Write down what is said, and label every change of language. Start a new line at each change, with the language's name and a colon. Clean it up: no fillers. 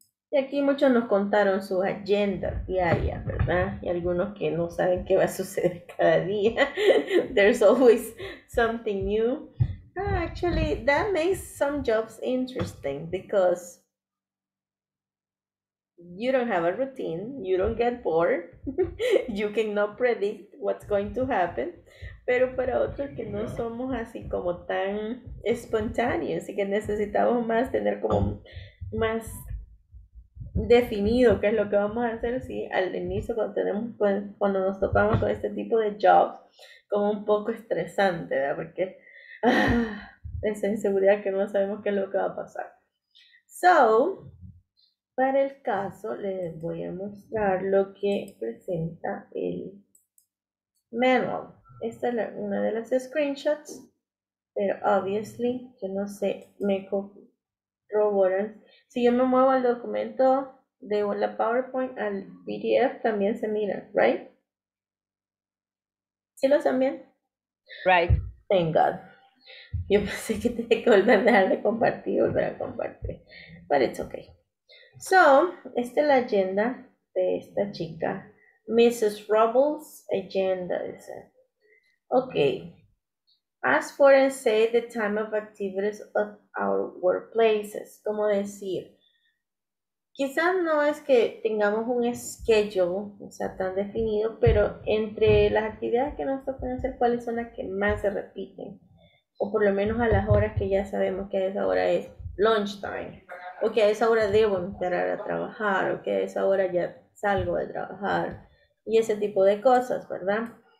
Spanish: Y aquí muchos nos contaron su agenda diaria, ¿verdad? Y algunos que no saben qué va a suceder cada día.
English: There's always something new. Actually, that makes some jobs interesting because you don't have a routine, you don't get bored, you cannot predict what's going to happen.
Spanish: Pero para otros que no somos así como tan espontáneos y que necesitamos más tener como más definido qué es lo que vamos a hacer, sí, al inicio cuando nos topamos con este tipo de job, como un poco estresante, ¿verdad? Porque esa inseguridad que no sabemos qué es lo que va a pasar. So, para el caso, les voy a mostrar lo que presenta el manual. Esta es una de las screenshots, pero obviously, yo no sé, me corroboran. Si yo me muevo al documento de la PowerPoint al PDF, también se mira, right? ¿Sí lo están bien?
English: Right. Thank God.
Spanish: Yo pensé que tenía que volver a dejar de compartir y volver a compartir,
English: but it's okay.
Spanish: So, esta es la agenda de esta chica. Mrs. Rubble's agenda, dice.
English: Okay, ask for and say the time of activities of our workplaces.
Spanish: Como decir, quizás no es que tengamos un schedule, o sea, tan definido, pero entre las actividades que nos tocan hacer, ¿cuáles son las que más se repiten? O por lo menos a las horas que ya sabemos que a esa hora es lunchtime, o que a esa hora debo entrar a trabajar, o que a esa hora ya salgo de trabajar, y ese tipo de cosas, ¿verdad?